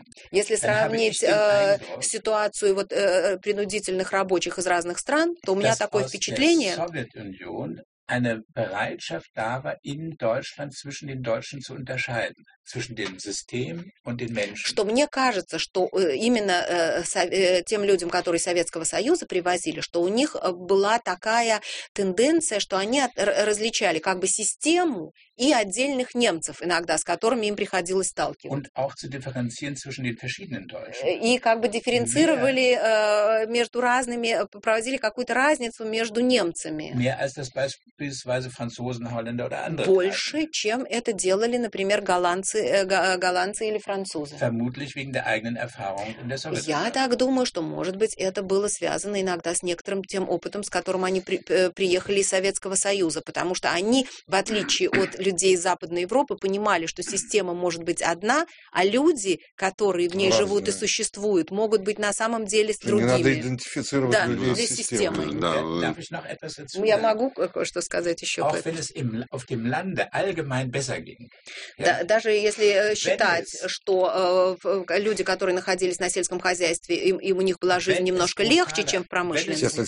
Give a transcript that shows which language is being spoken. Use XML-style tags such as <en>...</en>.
<ru>Если сравнить ситуацию вот, принудительных рабочих из разных стран, то у меня такое впечатление...</ru> <de>Eine Bereitschaft da war in Deutschland zwischen den Deutschen zu unterscheiden. Zwischen dem System und den Menschen.</de> <ru>Что мне кажется, что именно тем людям, которые Советского Союза привозили, что у них была такая тенденция, что они различали как бы систему и отдельных немцев иногда, с которыми им приходилось сталкиваться.</ru> <de>Und auch zu differenzieren zwischen den verschiedenen Deutschen.</de> <ru>И как бы дифференцировали между разными, проводили какую-то разницу между немцами.</ru> <de>Mehr als das beispielsweise Franzosen, Holländer oder andere.</de> <ru>Больше, чем это делали, например, голландцы или французы.</ru> <de>Vermutlich wegen der eigenen Erfahrung in der Sowjetunion.</de> <ru>Я так думаю, что, может быть, это было связано иногда с некоторым тем опытом, с которым они приехали из Советского Союза, потому что они, в отличие от людей из Западной Европы, понимали, что система может быть одна, а люди, которые в ней разные. Живут и существуют, могут быть на самом деле с другими. Не надо идентифицировать да, людей с системой. Да, да. Я могу кое-что сказать еще.</ru> <de>Auch wenn es im, auf dem Lande allgemein besser ging.</de> <ru>Да, даже если считать, что люди, которые находились на сельском хозяйстве, им у них была жизнь немножко легче, чем в промышленности.</ru>